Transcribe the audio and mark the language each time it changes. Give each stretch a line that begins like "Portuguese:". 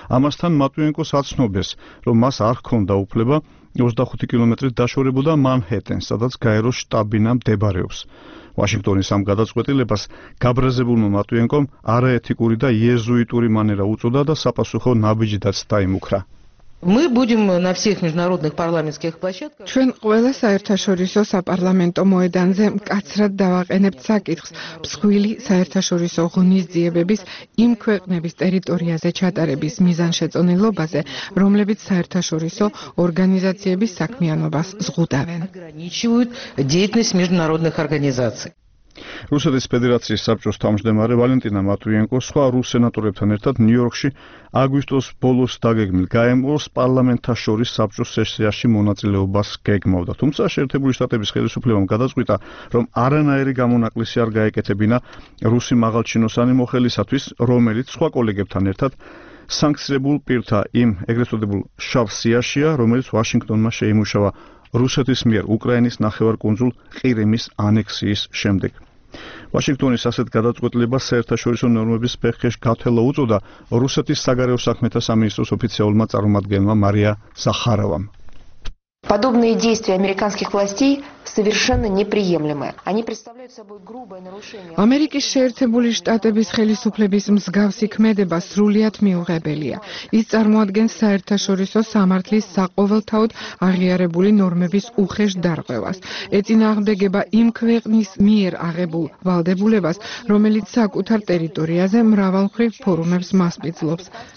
Georgian: ამასთან მატვიენკოს აცნობეს, რომ მას არ ჰქონდა უფლება 25 კილომეტრით დაშორებოდა მანჰეტენ, სადაც გაეროს შტაბინა მდებარეობს. ვაშინგტონის ამ გადაწყვეტილებას გაბრაზებულმა მატვიენკომ არაეთიკური და იეზუიტური მანერა უწოდა და საპასუხო ნაბიჯითაც დაიმუქრა.
Russian: Мы будем на всех международных парламентских площадках.
Georgian: ჩვენ ყველა საერთაშორისო საპარლამენტო მოედანზე მკაცრად დავაყენებთ საკითხს მსხვილი საერთაშორისო ღონისძიებების იმ ქვეყნების ტერიტორიაზე ჩატარების მიზანშეწონილობაზე, რომლებიც საერთაშორისო ორგანიზაციების საქმიანობას ზღუდავენ.
Russian: ограничивают деятельность международных организаций.
Georgian: რუსეთის ფედერაციის საბჭოს თავმჯდომარე ვალენტინა მატვიენკო სხვა რუს სენატორებთან ერთად ნიუ-იორკში აგვისტოს ბოლოს დაგეგმილ გაემგზავრებას პარლამენტთა შორის საბჭოს სესიაში მონაწილეობას გეგმავდა. თუმცა შეერთებული შტატების ხელისუფლებამ გადაწყვიტა, რომ არანაირი გამონაკლისი არ გაეკეთებინა რუსი მაღალჩინოსანი მოხელისათვის, რომელიც სხვა კოლეგებთან ერთად სანქცირებულ პირთა იმ ეგრეთ წოდებულ შავ სიაშია, რომელიც ვაშინგტონმა შეიმუშავა რუსეთის მიერ უკრაინის ნახევარკუნძულ ყირიმის ანექსიის შემდეგ. ვაშინგტონის ასეთ გადაწყვეტილებას საერთაშორისო ნორმების ფეხქეშ გათელა უწოდა რუსეთის საგარეო საქმეთა სამინისტროს ოფიციალურმა წარმომადგენელმა მარია ზახაროვამ.
Russian: Подобные действия американских властей совершенно неприемлемы. Они представляют собой грубое нарушение.
Georgian: Америкის შეერთებული შტატების ხელისუფლების მსგავსი ქმედება სრულიად მიუღებელია. ის წარმოადგენს საერთაშორისო სამართლის საყოველთაოდ აღიარებული ნორმების უხეშ დარღვევას. ეწინააღმდეგება იმ ქვეყნის მიერ აღებულ ვალდებულებას, რომელიც საკუთარ ტერიტორიაზე მრავალმხრივ ფორუმებს მასპინძლობს.